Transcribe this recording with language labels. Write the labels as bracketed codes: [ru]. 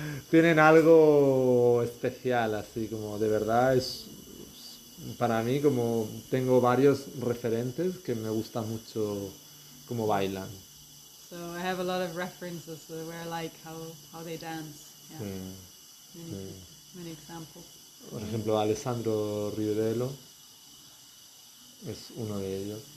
[es] Tienen algo especial, así como de verdad es. Para mí, como tengo varios referentes que me gusta mucho cómo bailan. [en] So I have a lot of references where I like how they dance. Yeah. [es] Sí, [en] many examples. [es] Por ejemplo, Alessandro Rivedello es uno de ellos.